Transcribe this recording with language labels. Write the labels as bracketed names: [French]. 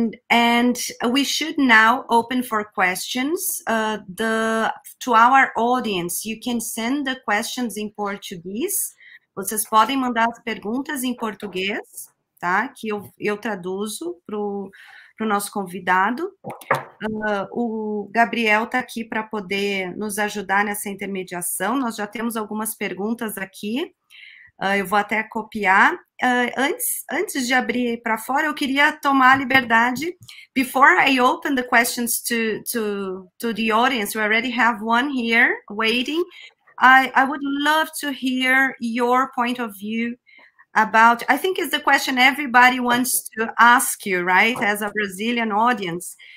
[English] And we should now open for questions. To our audience, you can send the questions in Portuguese. [Portuguese] Vocês podem mandar as perguntas em português, tá? Que eu traduzo para o nosso convidado. O Gabriel está aqui para poder nos ajudar nessa intermediação. Nós já temos algumas perguntas aqui. Eu vou até copiar. Antes de abrir para fora, eu queria tomar a liberdade. [English] Before I open the questions to the audience, we already have one here waiting. I would love to hear your point of view about, I think it's the question everybody wants to ask you, right, as a Brazilian audience.